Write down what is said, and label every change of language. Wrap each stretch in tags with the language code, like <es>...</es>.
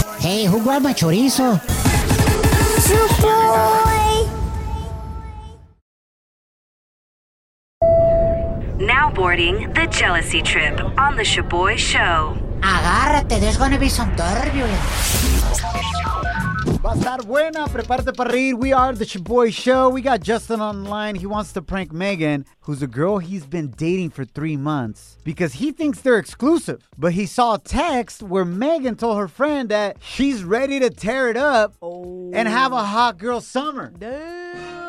<en>Hey, who grabbed my chorizo? Shaboy. Now boarding the Jealousy Trip on the Shaboy Show.</en> <es>Agárrate,</es> <en>there's gonna be some turbulence.</en> <es>Va a estar buena, prepárate para reír.</es> <en>We are the Shaboy Show. We got Justin online. He wants to prank Megan, who's a girl he's been dating for 3 months, because he thinks they're exclusive. But he saw a text where Megan told her friend that she's ready to tear it up and have a hot girl summer. Dude.</en>